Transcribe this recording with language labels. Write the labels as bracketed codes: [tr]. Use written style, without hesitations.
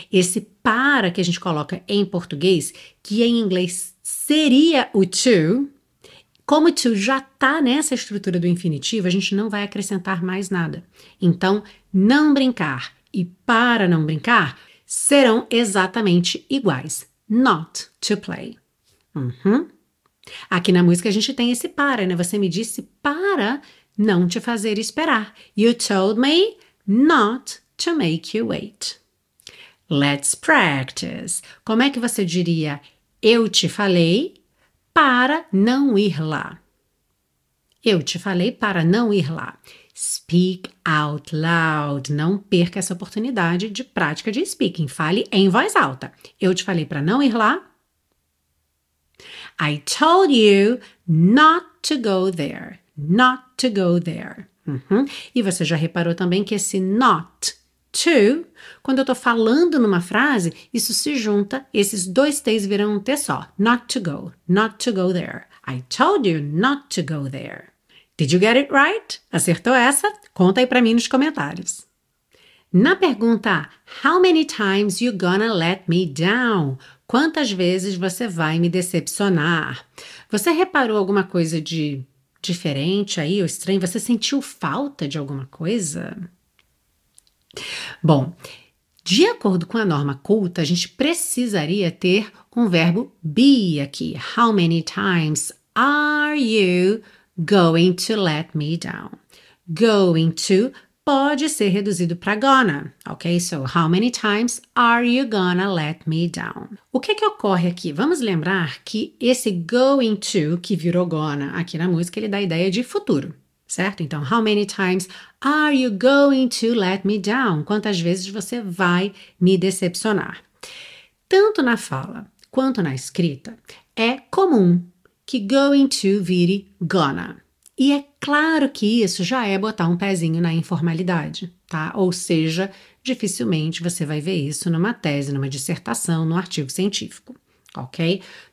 [pt] Esse para que a gente coloca em português, que em inglês seria o to, como to já está nessa estrutura do infinitivo, a gente não vai acrescentar mais nada. Então, não brincar e para não brincar serão exatamente iguais. [en] Not to play. [pt] Uhum. Aqui na música a gente tem esse para, né? Você me disse para não te fazer esperar. [en] You told me not to make you wait. Let's practice. [pt] Como é que você diria eu te falei para não ir lá? Eu te falei para não ir lá. [en] Speak out loud. [pt] Não perca essa oportunidade de prática de speaking. Fale em voz alta. Eu te falei para não ir lá. [en] I told you not to go there. Not to go there. Uhum. [pt] E você já reparou também que esse not to, quando eu estou falando numa frase, isso se junta, esses dois T's viram um T só. [en] Not to go, not to go there. I told you not to go there. Did you get it right? [pt] Acertou essa? Conta aí para mim nos comentários. Na pergunta, [en] how many times you gonna let me down? [pt] Quantas vezes você vai me decepcionar? Você reparou alguma coisa de diferente aí, ou estranho? Você sentiu falta de alguma coisa? Bom, de acordo com a norma culta, a gente precisaria ter um verbo be aqui. [en] How many times are you going to let me down? [pt] Going to pode ser reduzido para gonna, ok? [en] So, how many times are you gonna let me down? [pt] O que ocorre aqui? Vamos lembrar que esse going to, que virou gonna aqui na música, ele dá a ideia de futuro. Certo? [en] Então, how many times are you going to let me down? [pt] Quantas vezes você vai me decepcionar? Tanto na fala quanto na escrita, é comum que going to vire gonna. E é claro que isso já é botar um pezinho na informalidade, tá? Ou seja, dificilmente você vai ver isso numa tese, numa dissertação, num artigo científico. Ok?